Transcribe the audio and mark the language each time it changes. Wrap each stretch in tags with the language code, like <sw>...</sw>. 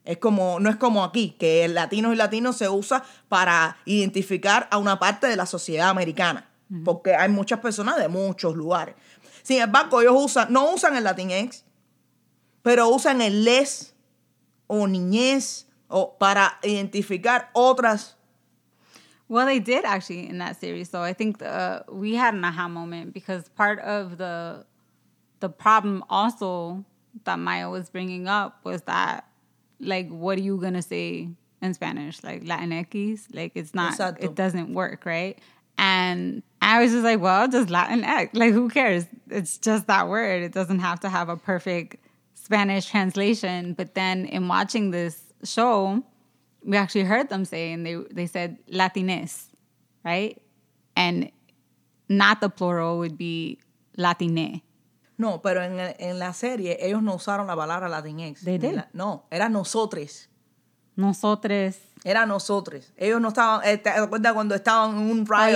<es>Es como, no es como aquí, que el latino y latino se usa para identificar a una parte de la sociedad americana. Uh-huh. Porque hay muchas personas de muchos lugares. Sin embargo, ellos usan, no usan el Latinx, pero usan el les o niñez o para identificar otras.</es> <en>Well, they did actually in that series. So I think we had an aha moment because part of the problem also that Maya was bringing up was that, like, what are you going to say in Spanish? Like, Latinx? Like, it's not, exacto. It doesn't work, right? And I was just like, well, just Latinx. Like, who cares? It's just that word. It doesn't have to have a perfect Spanish translation. But then in watching this show, we actually heard them say, and they said Latines, right? And not the plural would be Latine.</en> <es>No, pero en la serie, ellos no usaron la palabra Latinx.</es> <en>They did.</en> <es>No, era nosotres. Nosotres. Era nosotres. Ellos no estaban, ¿te acuerdas cuando estaban en un riot?</es>